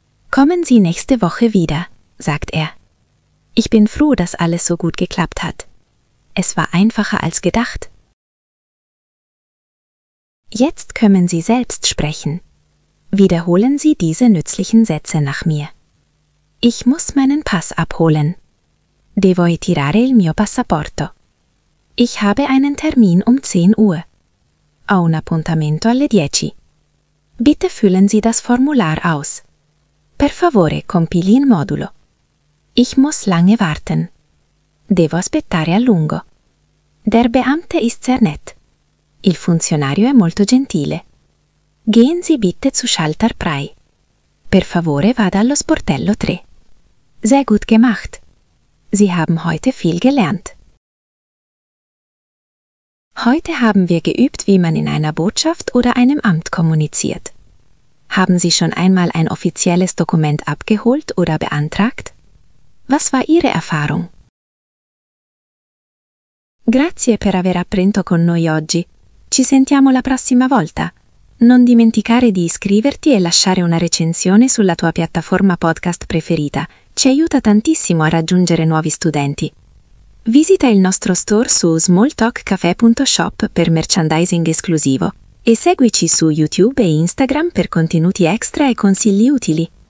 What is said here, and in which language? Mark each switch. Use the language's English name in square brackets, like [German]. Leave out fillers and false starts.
[German] Kommen Sie nächste Woche wieder, sagt er. Ich bin froh, dass alles so gut geklappt hat. Es war einfacher als gedacht. Jetzt können Sie selbst sprechen. Wiederholen Sie diese nützlichen Sätze nach mir. Ich muss meinen Pass abholen. [Italian] Devo ritirare il mio passaporto. [German] Ich habe einen Termin um 10 Uhr. [Italian] Ho un appuntamento alle 10. [German] Bitte füllen Sie das Formular aus. [Italian] Per favore, compili il modulo. [German] Ich muss lange warten. [Italian] Devo aspettare a lungo. [German] Der Beamte ist sehr nett. [Italian] Il funzionario è molto gentile. [German] Gehen Sie bitte zu Schalter 3. [Italian] Per favore, vada allo sportello 3. [German] Sehr gut gemacht. Sie haben heute viel gelernt. Heute haben wir geübt, wie man in einer Botschaft oder einem Amt kommuniziert. Haben Sie schon einmal ein offizielles Dokument abgeholt oder beantragt? Was war Ihre Erfahrung? [Italian] Grazie per aver apprenso con noi oggi. Ci sentiamo la prossima volta. Non dimenticare di iscriverti e lasciare una recensione sulla tua piattaforma podcast preferita. Ci aiuta tantissimo a raggiungere nuovi studenti. Visita il nostro store su smalltalkcafe.shop per merchandising esclusivo. E seguici su YouTube e Instagram per contenuti extra e consigli utili.